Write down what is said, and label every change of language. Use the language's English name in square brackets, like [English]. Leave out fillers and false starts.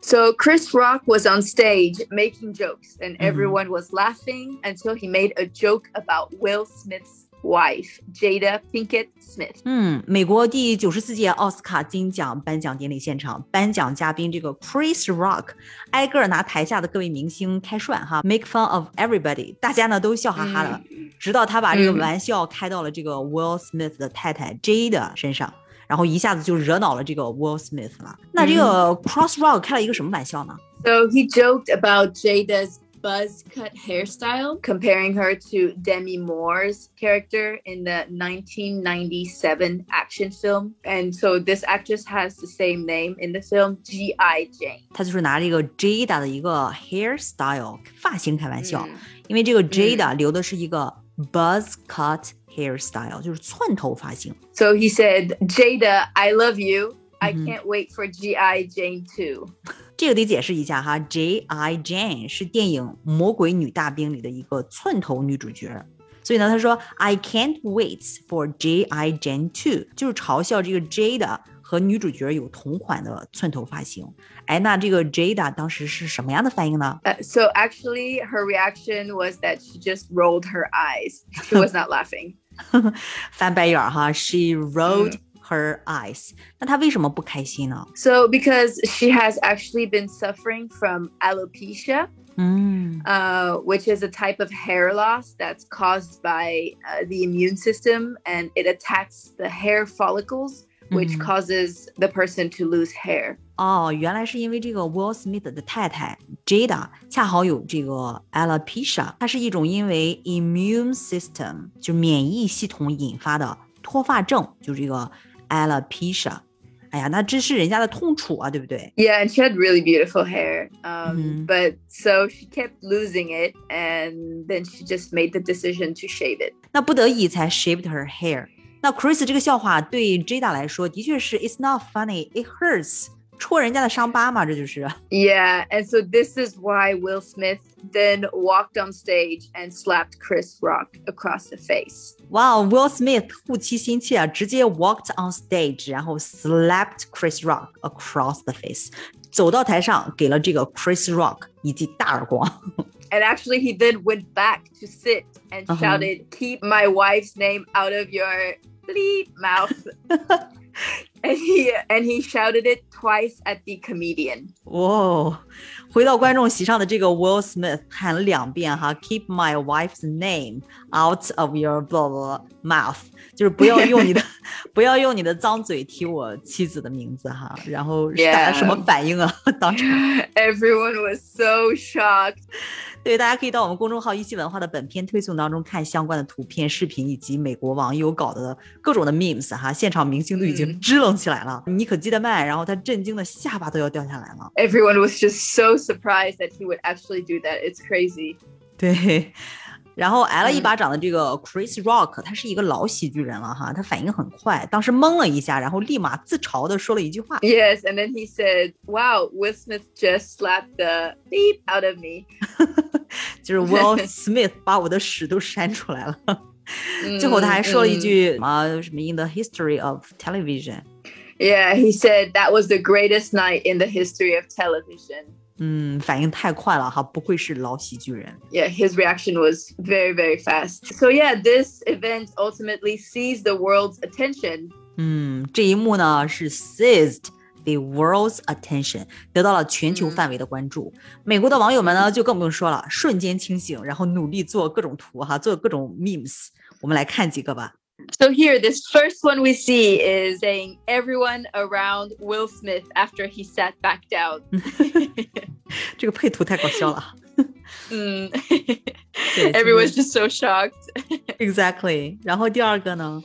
[English] So Chris Rock was on stage making jokes, and everyone was laughing until he made a joke about Will Smith's wife, Jada Pinkett Smith. [Chinese] 美国第94届奥斯卡金奖颁奖典礼现场，颁奖嘉宾这个 Chris Rock 挨个拿台下的各位明星开涮哈， [English] make fun of everybody， [Chinese] 大家呢都笑哈哈的，直到他把这个玩笑开到了这个 Will Smith 的太太 Jada 身上，然后一下子就惹恼了这个 Will Smith 了。那这个 Chris Rock 开了一个什么玩笑呢？ [English] So he joked about Jada'sbuzz cut hairstyle, comparing her to Demi Moore's character in the 1997 action film. And so this actress has the same name in the film, G.I. Jane. [Chinese] 她就是拿这个 Jada 的一个 hairstyle, 发型开玩笑。因为这个 Jada 留的是一个 buzz cut hairstyle, 就是寸头发型。 [English] So he said, Jada, I love you. I can't wait for G.I. Jane 2. [Chinese] 这个得解释一下哈， G.I. Jane 是电影《魔鬼女大兵》里的一个寸头女主角，所以呢，她说 [English] I can't wait for G.I. [Chinese] Jane 2， 就是嘲笑这个 Jada 和女主角有同款的寸头发型。哎，那这个 Jada 当时是什么样的反应呢？ [English] So actually her reaction was that she just rolled her eyes. She was not laughing. [Chinese] 翻白眼哈， [English] she rolledher eyes. [Chinese] 那她为什么不开心呢？ [English] So because she has actually been suffering from alopecia, which is a type of hair loss that's caused by the immune system, and it attacks the hair follicles, which causes the person to lose hair. [Chinese] 哦，原来是因为这个 Will Smith 的太太 Jada 恰好有这个 alopecia, 它是一种因为 immune system, 就免疫系统引发的脱发症，就这个Alopecia. 哎呀，那这是人家的痛楚啊，对不对？ [English] Yeah, and she had really beautiful hair. But so she kept losing it, and then she just made the decision to shave it. [Chinese] 那不得已才 [English] shaved her hair. [Chinese] 那 Chris 这个笑话对 Jada 来说的确是 [English] it's not funny, it hurts. [Chinese] 戳人家的伤疤嘛，这就是。 [English] Yeah, and so this is why Will Smith then walked on stage and slapped Chris Rock across the face. Wow, Will Smith [Chinese] 护妻心切啊，直接 [English] walked on stage, [Chinese] 然后 [English] slapped Chris Rock across the face. [Chinese] 走到台上给了这个 Chris Rock 一记大耳光。 [English] And actually he then went back to sit and shouted,、uh-huh. keep my wife's name out of your bleep mouth. And he shouted it twice at the comedian. Whoa. [Chinese] 回到观众席上的这个 Will Smith 喊了两遍哈 [English] keep my wife's name out of your blah blah mouth. [Chinese] 就是不要用你的不要用你的脏嘴提我妻子的名字哈。然后大家什么反应啊、 [English] yeah. [Chinese] 当场。 [English] Everyone was so shocked. [Chinese] 对，大家可以到我们公众号一席文化的本片推送当中看相关的图片视频以及美国网友搞的各种的 memes 哈，现场明星都已经支棱起来了、嗯、妮可基德曼然后他震惊的下巴都要掉下来了。 [English] Everyone was just so surprised that he would actually do that. It's crazy. [Chinese] 对，然后挨了一巴掌的这个 Chris Rock、嗯、他是一个老喜剧人了哈，他反应很快，当时懵了一下，然后立马自嘲的说了一句话。 [English] Yes, and then he said, wow, Will Smith just slapped the beep out of me. [Chinese] 就是 Will Smith 把我的屎都删出来了。最后他还说了一句什么、嗯、什么 [English] in the history of television. Yeah, he said that was the greatest night in the history of television. [Chinese] 嗯，反应太快了哈，不愧是老喜剧人。 [English] Yeah, his reaction was very, very fast. So yeah, this event ultimately seized the world's attention. [Chinese] 嗯，这一幕呢是 [English] seized the world's attention, [Chinese] 得到了全球范围的关注。 Mm. 美国的网友们呢就更不用说了，瞬间清醒，然后努力做各种图哈，做各种 memes。我们来看几个吧。 [English] So here, this first one we see is saying everyone around Will Smith after he sat back down. [Chinese] 这个配图太搞笑了。 [English] Everyone's just so shocked. Exactly. [Chinese] 然后第二个呢?